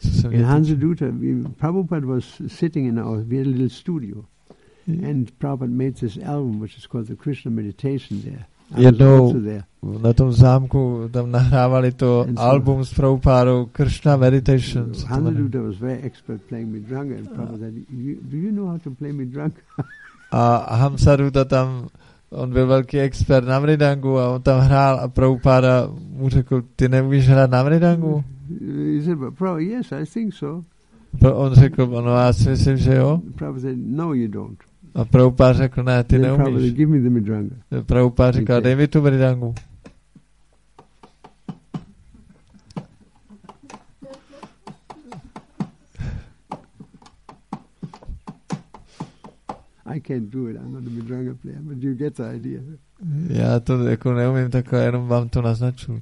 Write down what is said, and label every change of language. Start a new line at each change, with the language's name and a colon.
English: in Hansa Dutta, Prabhupada was sitting in our very little studio and Prabhupada made this album which is called the Krishna Meditation there.
Czech: Jednou na tom zámku tam nahrávali to album s Prabhupádou Krishna Meditations.
English: Hanuduta was very expert playing midranga and Prabhupada said, do you know how to play midranga?
Czech: A Hamsaduta tam, on byl velký expert na mridangu a on tam hrál a Prabhupáda mu řekl, ty neumíš hrát na mridangu?
English: He said, Prabhupada, yes, I think so.
Czech: On řekl, no já si myslím, že jo.
English: Prabhupada said, no you don't.
Czech: A Prabhupáda řekl, ne, ty neumíš. Prabhupáda říkal, dej mi tu mridangu.
English: I can't do it, I'm not a mridanga player, but you get the idea.
Czech: Já to jako neumím, tak jenom vám to naznaču.